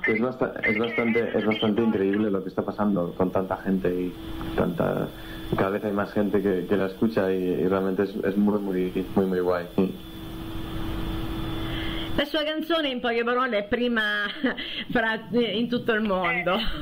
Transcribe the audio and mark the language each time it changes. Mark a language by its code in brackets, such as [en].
[it] È bastante incredibile lo che sta passando con tanta gente e tanta... [es] Cada vez hay más gente che la escucha e realmente es muy, muy, muy, muy guay. [it] La sua canzone, in poche parole, è prima in tutto il mondo.